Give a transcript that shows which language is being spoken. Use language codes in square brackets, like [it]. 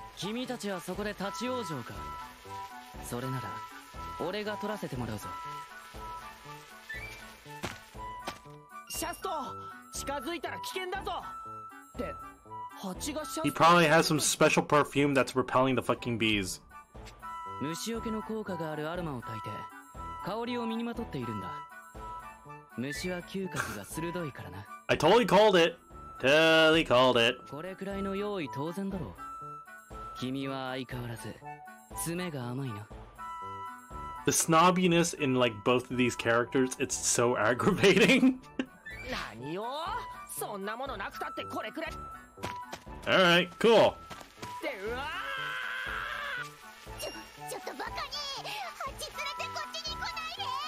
[ja] 君たちはそこで立ち往生か。それなら俺が取らせてもらうぞ。シャスト、近づいたら危険だぞ。で、蜂がシャスト。 [en] He probably has some special perfume that's repelling the fucking bees. [ja] 虫除けの効果があるアロマを焚いて、香りを身にまとっているんだ。虫は嗅覚が鋭いからな。 [en] I totally called it. Totally called it. [ja] これくらいの用意当然だろう。君は相変わらず爪が甘いな。 [en] The snobbiness in like both of these characters, it's so aggravating. [ja] 何よ、そんなものなくたってこれくれ。 [en] Alright, cool. [ja] で、うわー！ちょっとバカに、蜂連れてこっちに来ないで。